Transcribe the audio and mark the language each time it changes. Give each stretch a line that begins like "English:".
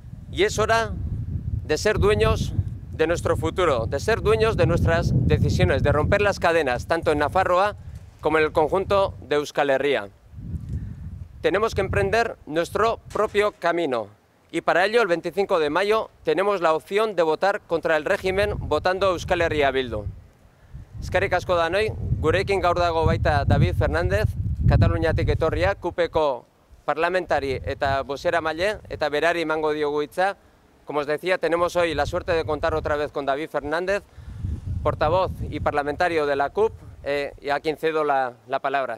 Spanish: Y es hora de ser dueños de nuestro futuro, de ser dueños de nuestras decisiones, de romper las cadenas, tanto en Nafarroa como en el conjunto de Euskal Herria. Tenemos que emprender nuestro propio camino. Y para ello, el 25 de mayo, tenemos la opción de votar contra el régimen votando Euskal Herria Bildu.
Basque: Eskerrik asko danoi, gurekin gaur dago baita David Fernández, Kataluniatik etorria, CUP-eko parlamentari eta bozeramaile, eta berari emango diogu hitza.
Spanish: Como os decía, tenemos hoy la suerte de contar otra vez con David Fernández, portavoz y parlamentario de la CUP, y a quien cedo la palabra.